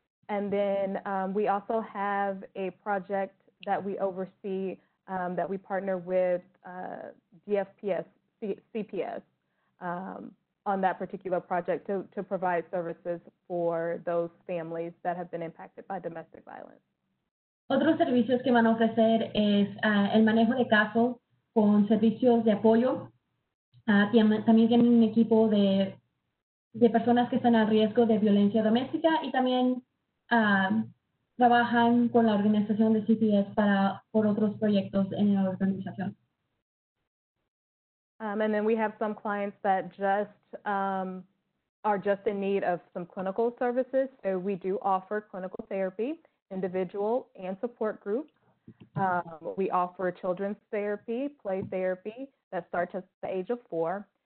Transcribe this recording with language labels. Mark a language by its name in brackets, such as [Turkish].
[English] And then we also have a project that we oversee that we partner with DFPS, CPS on that particular project to provide services for those families that have been impacted by domestic violence. [Spanish] Otros servicios que van a ofrecer es el manejo de casos con servicios de apoyo. También tienen un equipo de personas que están a riesgo de violencia doméstica y también trabajan con la organización de CPS por otros proyectos en la organización. [English] And then we have some clients that just are just in need of some clinical services. So we do offer clinical therapy, individual and support group. We offer children's therapy, play therapy that starts at the age of 4.